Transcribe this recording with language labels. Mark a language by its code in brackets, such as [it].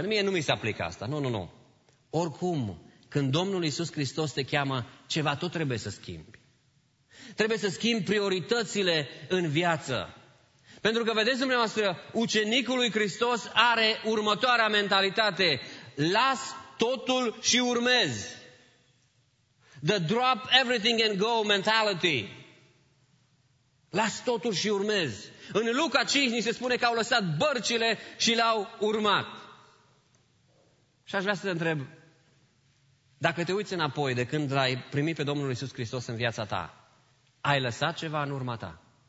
[ro] Mie nu mi se aplică asta. Nu. Oricum, când Domnul Iisus Hristos te cheamă, ceva tot trebuie să schimbi. Trebuie să schimbi prioritățile în viață. Pentru că, vedeți dumneavoastră, ucenicul lui Hristos are următoarea mentalitate. Las totul și urmez. [en] The drop everything and go mentality. [ro] Las totul și urmez. În Luca 5 ni se spune că au lăsat bărcile și le-au urmat. Și aș vrea să te întreb, dacă te uiți înapoi de când l-ai primit pe Domnul Iisus Hristos în viața ta, ai lăsat ceva în urma ta?